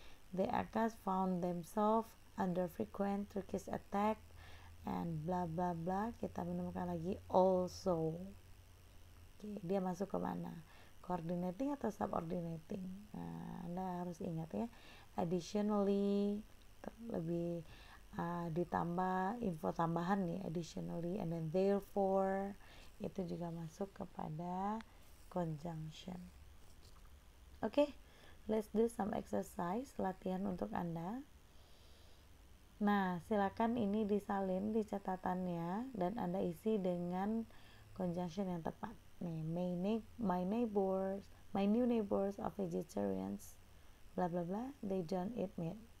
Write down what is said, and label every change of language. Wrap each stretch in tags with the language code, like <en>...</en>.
<en>The Akkas found themselves under frequent Turkish attack and bla bla bla.</en> <id>Kita menemukan lagi also. Okay, dia masuk ke mana? Coordinating atau subordinating? Nah, Anda harus ingat ya. Additionally, lebih ditambah info tambahan nih, additionally and then therefore, itu juga masuk kepada conjunction.</id> <en>Okay, let's do some exercise,</en> <id>latihan untuk Anda. Nah, silakan ini disalin di catatannya dan Anda isi dengan conjunction yang tepat.</id> <en>My new neighbors are vegetarians, blah blah blah, they don't eat meat.</en>